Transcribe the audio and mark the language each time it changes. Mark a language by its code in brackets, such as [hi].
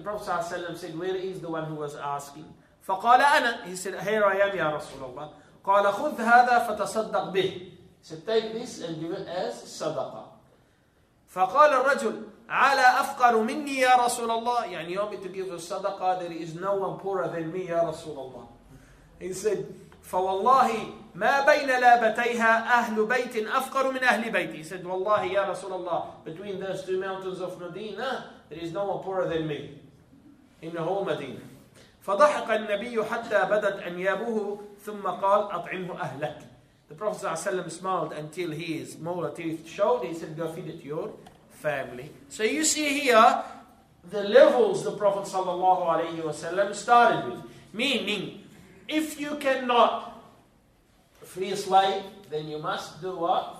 [en] The Prophet ﷺ said, where is the one who was asking? [ar] فَقَالَ أَنَا. [en] He said, here I am, Ya Rasulullah. [ar] قَالَ خُذْ هَذَا فَتَصَدَّقْ بِهِ. [en] He said, take this and give it as sadaqah. [ar] فقال الرجل على أفقر مني يا رسول الله. [en] يعني you want me to give a sadaqah, there is no one poorer than me, [ar] يا رسول الله. [en] He said, [ar] فوالله ما بين لابتيها أهل بيت أفقر من أهل بيتي. [en] He said, [ar] والله يا رسول الله, [en] between those two mountains of Medina, there is no one poorer than me. [ar] إنه مدينة. فضحك النبي حتى بدت أنيابه ثم قال أطعمه أهلك. [en] The Prophet ﷺ smiled until his molar teeth showed. He said, go feed it your family. So you see here, the levels the Prophet ﷺ started with. Meaning, if you cannot free a slave, then you must do what?